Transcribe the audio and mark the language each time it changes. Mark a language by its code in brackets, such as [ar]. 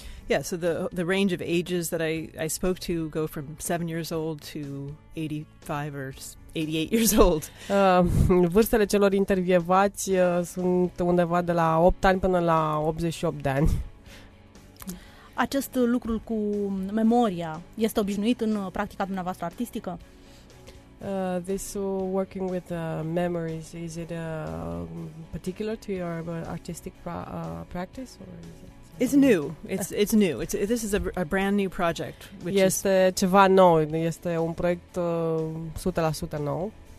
[en] Yeah, so the range of ages that I spoke to go from 7 years old to 85 or 88 years old. [ro] Vârstele celor intervievați sunt undeva de la 8 ani până la 88 de ani. Acest lucru cu memoria este obișnuit în practica dumneavoastră artistică? [en] This working with memories, is it particular to your artistic practice, or is it something? It's new. This is a brand new project. [ro] Which este is ceva nou. Este un proiect 100% nou.